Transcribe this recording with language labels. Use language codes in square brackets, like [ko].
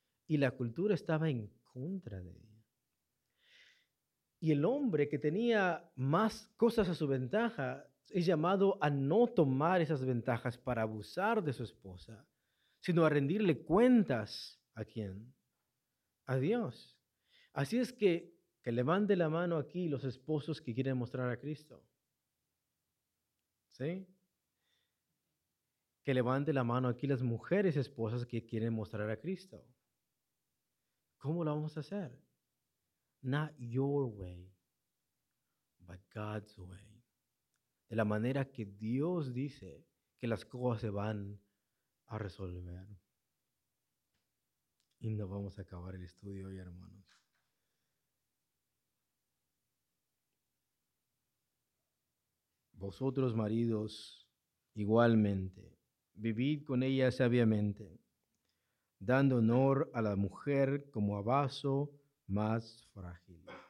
[es] y la cultura estaba en contra de ella. Y el hombre que tenía más cosas a su ventaja es llamado a no tomar esas ventajas para abusar de su esposa, sino a rendirle cuentas. ¿A quién? A Dios. Así es que levante la mano aquí los esposos que quieren mostrar a Cristo. ¿Sí? Que levante la mano aquí las mujeres esposas que quieren mostrar a Cristo. ¿Cómo lo vamos a hacer? [en] Not your way, but God's way. [es] De la manera que Dios dice que las cosas se van a resolver. Y no vamos a acabar el estudio hoy, hermanos. Vosotros, maridos, igualmente, vivid con ella sabiamente, dando honor a la mujer como a vaso más frágil.